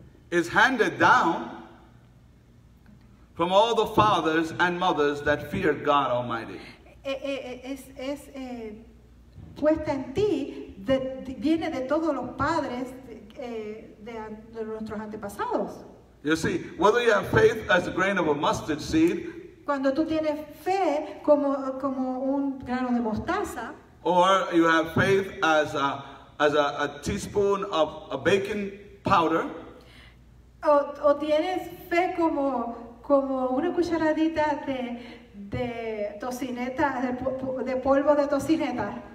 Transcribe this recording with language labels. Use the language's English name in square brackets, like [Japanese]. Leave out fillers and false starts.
[English] It's handed down from all the fathers and mothers that fear God Almighty. [Spanish] Puesta en ti, viene de todos los padres de nuestros antepasados. [English] You see, whether you have faith as a grain of a mustard seed, [Spanish] cuando tú tienes fe como un grano de mostaza, [English] or you have faith as a teaspoon of a baking powder, [Spanish] o tienes fe como una cucharadita de tocineta, de polvo de tocineta,